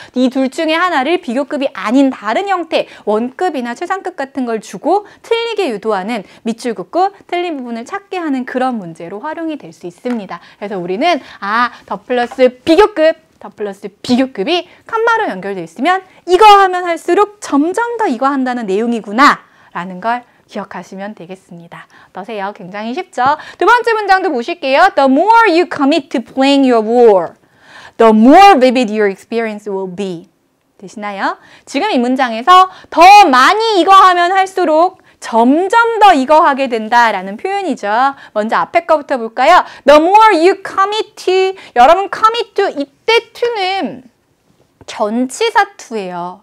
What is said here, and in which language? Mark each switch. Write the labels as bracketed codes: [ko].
[ko] 이 둘 중에 하나를 비교급이 아닌 다른 형태 원급이나 최상급 같은 걸 주고 틀리게 유도하는 밑줄 긋고 틀린 부분을 찾게 하는 그런 문제로 활용이 될 수 있습니다. 그래서 우리는 아, 더 플러스 비교급 더 플러스 비교급이 칸마로 연결되어 있으면 이거 하면 할수록 점점 더 이거 한다는 내용이구나 라는 걸 기억하시면 되겠습니다. 어떠세요? 굉장히 쉽죠? 두 번째 문장도 보실게요. [en] The more you commit to playing your war, the more vivid your experience will be. [ko] 되시나요? 지금 이 문장에서 더 많이 이거 하면 할수록 점점 더 이거 하게 된다라는 표현이죠. 먼저 앞에 거부터 볼까요? [en] The more you commit to, [ko] 여러분 [en] commit to, [ko] 이때 to는 전치사 to예요.